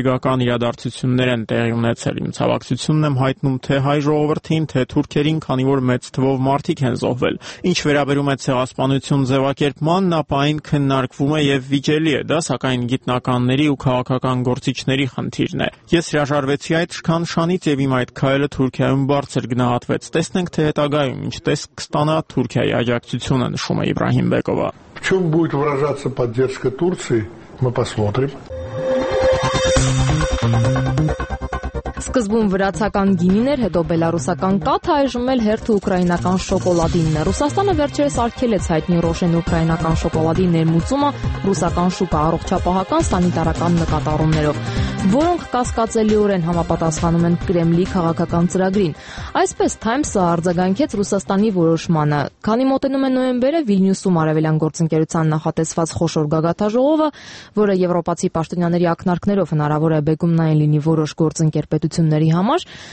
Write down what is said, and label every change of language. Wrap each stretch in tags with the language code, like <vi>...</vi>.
<hy>ներդրական իրադարձություններ են տեղի ունեցել։ Իմ ցավակցությունն եմ հայտնում թե հայ ժողովրդին, թե թուրքերին, քանի որ մեծ թվով մարդիկ են զոհվել։ Ինչ վերաբերում է ցեղասպանություն ձևակերպման, նա պայն քննարկվում է եւ վիճելի է, դա սակայն գիտնականների ու քաղաքական գործիչների խնդիրն է։ Ես հրաժարվեցի այդ շքանշանից եւ իմ այդ քայլը Թուրքիայում բարձր գնահատվեց։ Տեսնենք թե հետագայում ինչ տեսք կստանա Թուրքիայի աջակցությունը, նշում է Իբրահիմ Բեկովը։</hy> <ru>Чем будет выражаться поддержка Турции, мы посмотрим.</ru> <hy>Սկզբում վրացական գինին էր, հետո բելարուսական կաթը, այժմ էլ հերթը ուկրաինական շոկոլադինն է։ Ռուսաստանը վերջերս արգելեց հայտնի Ռոշեն ուկրաինական շոկոլադի ներմուծումը ռուսական շուկա առողջապահական սանիտարական նկատառումներով, որոնք կասկածելիորեն համապատասխանում են Կրեմլի քաղաքական ծրագրին։ Այսպես Times-ը արձագանքեց Ռուսաստանի որոշմանը։ Քանի մոտենում է նոյեմբերը, Վիլնյուսում արևելյան գործընկերության նախատեսված խոշոր գագաթաժողովը, որը եվրոպացի պաշտոնյաների ակնարկներով հնարավոր է բեկում նաև լինի որոշ գործընկերպ պետությունների համար,</hy>